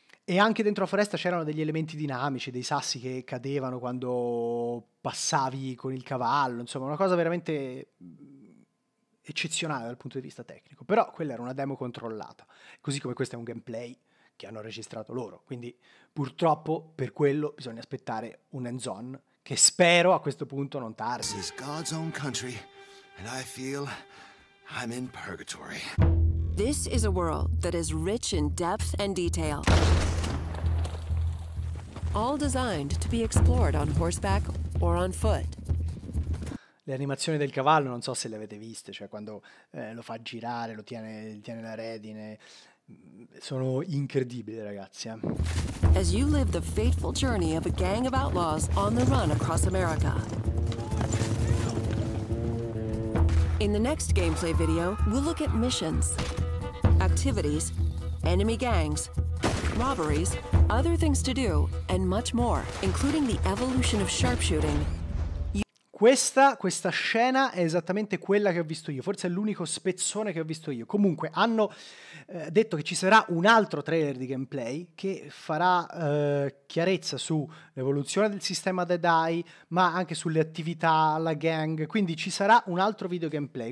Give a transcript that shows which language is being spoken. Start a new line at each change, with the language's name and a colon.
Italian: E anche dentro la foresta c'erano degli elementi dinamici, dei sassi che cadevano quando passavi con il cavallo, insomma, una cosa veramente eccezionale dal punto di vista tecnico. Però quella era una demo controllata, così come questo è un gameplay che hanno registrato loro. Quindi purtroppo per quello bisogna aspettare un hands-on, che spero a questo punto non tardi.
English: This is God's own country, and I feel I'm in purgatory. This is a world that is rich in depth and detail. All designed to be explored on horseback or on foot.
Italian: Le animazioni del cavallo, non so se le avete viste, cioè quando lo fa girare, lo tiene la redine, sono incredibili, ragazzi.
English: As you live the fateful journey of a gang of outlaws on the run across America. In the next gameplay video, we'll look at missions, activities, enemy gangs, robberies, other things to do, and much more, including the evolution of sharpshooting.
Italian: Questa scena è esattamente quella che ho visto io, forse è l'unico spezzone che ho visto io. Comunque hanno detto che ci sarà un altro trailer di gameplay che farà chiarezza sull'evoluzione del sistema Dead Eye, ma anche sulle attività, la gang, quindi ci sarà un altro video gameplay.